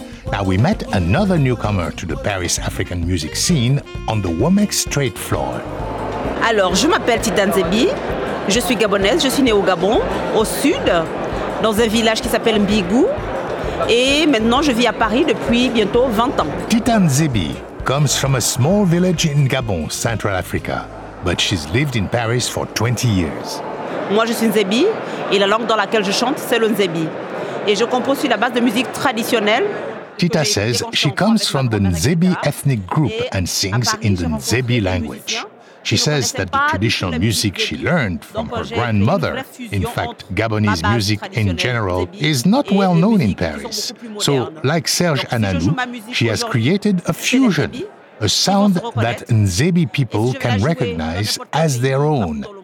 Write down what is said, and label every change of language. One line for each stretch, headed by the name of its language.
English: Now we met another newcomer to the Paris African music scene on the Womex trade floor.
French: Alors, je m'appelle Titane Zebi. Je suis Gabonaise, je suis née au Gabon, au sud, dans un village qui s'appelle Mbigou. Et maintenant, je vis à Paris depuis bientôt 20 ans.
English: Titane Zebi comes from a small village in Gabon, Central Africa. But she's lived in Paris for 20 years.
French: Moi, je suis Nzebi, et la langue dans laquelle je chante, c'est le Nzebi. Et je compose sur la base de musique traditionnelle.
English: Tita says she comes from the Nzebi ethnic group and sings in the Nzebi language. She says that the traditional music she learned from her grandmother, in fact, Gabonese music in general, is not well known in Paris. So, like Serge Ananou, she has created a fusion, a sound that Nzebi people can recognize as their own.